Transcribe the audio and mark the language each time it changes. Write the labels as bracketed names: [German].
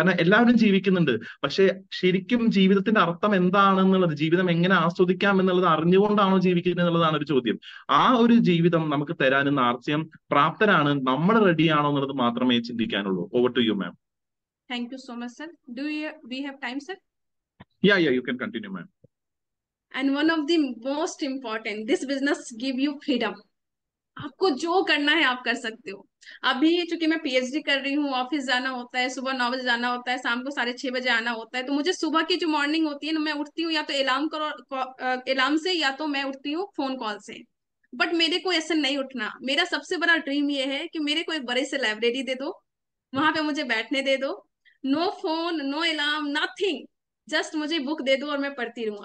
[Malayalam] കാരണം എല്ലാവരും ജീവിക്കുന്നുണ്ട്, പക്ഷെ ശരിക്കും ജീവിതത്തിന്റെ അർത്ഥം എന്താണെന്നുള്ളത്, ജീവിതം എങ്ങനെ ആസ്വദിക്കാം എന്നുള്ളത് അറിഞ്ഞുകൊണ്ടാണോ ജീവിക്കുന്നത് എന്നുള്ളതാണ് ഒരു ചോദ്യം. ആ ഒരു ജീവിതം നമുക്ക് തരാനെന്ന് ആർസിഎം പ്രാപ്തരാണ്, നമ്മൾ റെഡിയാണോ എന്നുള്ളത് മാത്രമേ ചിന്തിക്കാനുള്ളൂ. [English] Over to you ma'am. Thank you so much, sir. Do you, we have time, sir? Yeah, you can continue, ma'am. And one of the most important, this business give you freedom. [Hindi] आपको जो करना है आप कर सकते हो. अभी चूंकि मैं पीएचडी कर रही हूँ, ऑफिस जाना होता है, सुबह 9 बजे जाना होता है, शाम को 6:30 बजे आना होता है, तो मुझे सुबह की जो मॉर्निंग होती है ना, मैं उठती हूँ या तो अलार्म करो अलार्म से, या तो मैं उठती हूँ फोन कॉल से. बट मेरे को ऐसे नहीं उठना. मेरा सबसे बड़ा ड्रीम ये है कि मेरे को एक बड़े से लाइब्रेरी दे दो, वहां पे मुझे बैठने दे दो, [English] no phone no alarm nothing, just [Hindi] मुझे बुक दे दो और मैं पढ़ती रहूं.